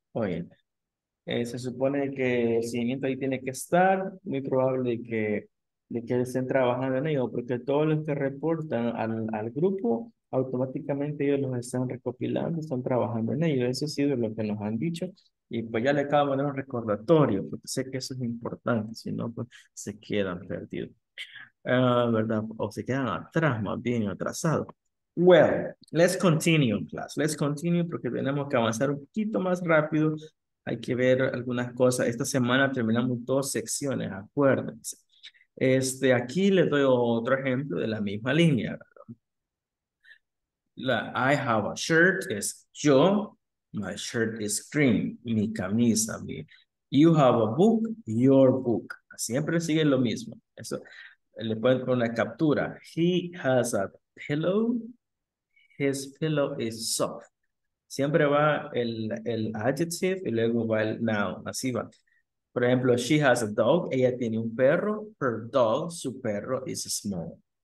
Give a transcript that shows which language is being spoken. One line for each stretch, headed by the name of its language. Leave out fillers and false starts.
Spanish: Oye, se supone que el seguimiento ahí tiene que estar, muy probable de que estén trabajando en ello, porque todos los que reportan al grupo, automáticamente ellos los están recopilando, están trabajando en ello. Eso ha sido lo que nos han dicho, y pues ya le acabo de poner un recordatorio, porque sé que eso es importante, si no, pues se quedan perdidos. ¿Verdad? O se quedan atrás, más bien atrasados.
English: Well, let's continue, class. Let's continue
Spanish: porque tenemos que avanzar un poquito más rápido. Hay que ver algunas cosas. Esta semana terminamos dos secciones, acuérdense. Aquí les doy otro ejemplo de la misma línea.
English: I have a shirt,
Spanish: es yo.
English: My shirt is green,
Spanish: mi camisa.
English: You have a book, your book.
Spanish: Siempre sigue lo mismo. Eso. Le pueden poner una captura.
English: He has a pillow. His pillow is soft.
Spanish: Siempre va el adjective y luego va el noun. Así va. Por ejemplo,
English: she has a dog.
Spanish: Ella tiene un perro.
English: Her dog,
Spanish: su perro,
English: is small.